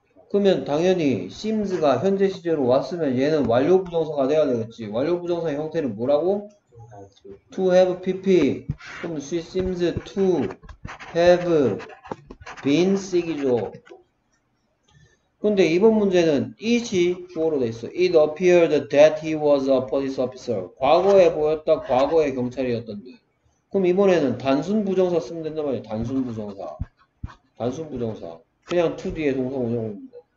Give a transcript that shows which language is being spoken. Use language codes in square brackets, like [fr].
[ko] 그러면 당연히 심즈가 현재 시제로 왔으면 얘는 완료 부정사가 돼야 되겠지. 완료 부정사 형태는 뭐라고? [en] To have PP. [ko] 그럼 [en] she seems to have been sick이죠. [ko] 근데 이번 문제는 it이 주어로 돼 있어. [en] It appeared that he was a police officer. [ko] 과거에 보였다. 과거에 경찰이었던 듯. 그럼 이번에는 단순 부정사 쓰면 된단 말이야. 단순 부정사. 단순 부정사. 그냥 to 뒤에 동사 원형입니다.